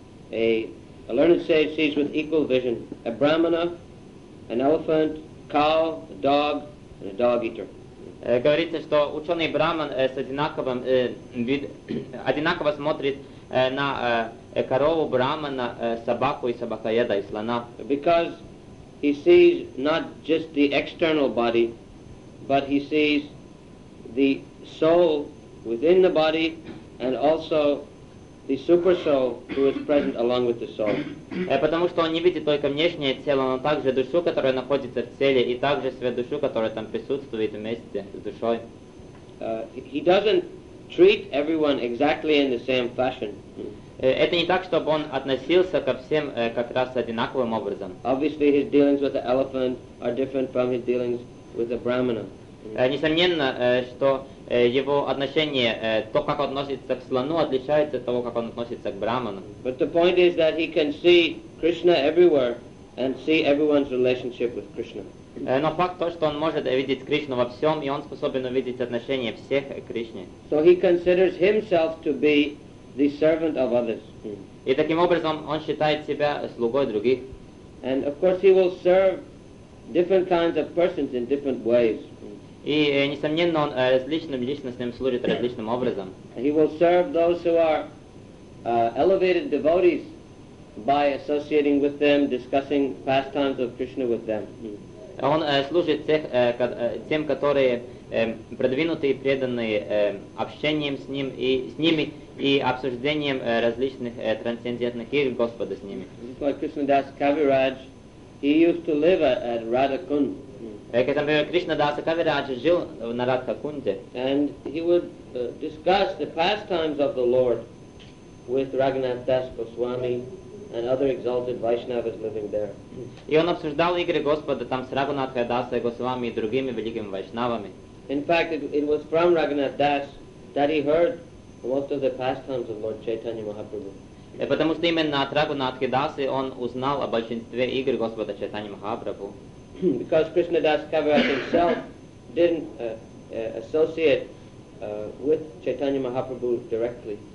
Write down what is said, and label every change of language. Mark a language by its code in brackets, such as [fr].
[en] A learned sage sees with equal vision a brahmana, an elephant, a cow, a dog, and a dog eater. [ru] Говорится, что ученый брахман с одинаковым одинаково смотрит на корову брахмана, собаку и собакоеда и слона. [en] Because he sees not just the external body, but he sees the soul within the body, and also the super soul who is present along with the soul. [ru] Потому что он не видит только внешнее тело, но также душу, которая находится в теле, и также свою душу, которая там присутствует вместе с душой. [en] He doesn't treat everyone exactly in the same fashion. [ru] Это не так, чтобы он относился ко всем как раз одинаковым образом. [en] Obviously, his dealings with the elephant are different from his dealings with the brahmana. [ru] Несомненно, что его отношение, то, как он относится к слону, отличается от того, как он относится к брахману. [en] But the point is that he can see Krishna everywhere and see everyone's relationship with Krishna. [ru] Но факт то, что он может видеть Кришну во всем, и он способен увидеть отношение всех к Кришне. [en] So he considers himself to be the servant of others. [ru] И таким образом он считает себя слугой других. [en] And of course he will serve different kinds of persons in different ways. [ru] И, несомненно, он различным личностям служит различным образом. [en] He will serve those who are elevated devotees by associating with them, discussing pastimes of Krishna with them. [ru] Он служит тем, которые продвинутые, преданные общением с ним и с ними и обсуждением различных трансцендентных игр Господа с ними. [en] Like Krishna Das Kaviraj, he used to live at Radhakund. [ru] Кришна Даса Кавираджа жил на Радхакунде. [en] And he would discuss the pastimes of the Lord with Raghunath Das Goswami and other exalted Vaishnavas living there. [ru] И он обсуждал игры Господа там с Рагунатхой Дасой Госвами и другими великими Вайшнавами. [en] In fact, it was from Raghunath Das that he heard most of the pastimes of Lord Chaitanya Mahaprabhu. [ru] Потому что именно от Рагунатхи Дасы он узнал о большинстве игр Господа Чайтаньи Махапрабху. [en] Because Krishna Das Kaviraj himself didn't associate with Chaitanya Mahaprabhu directly.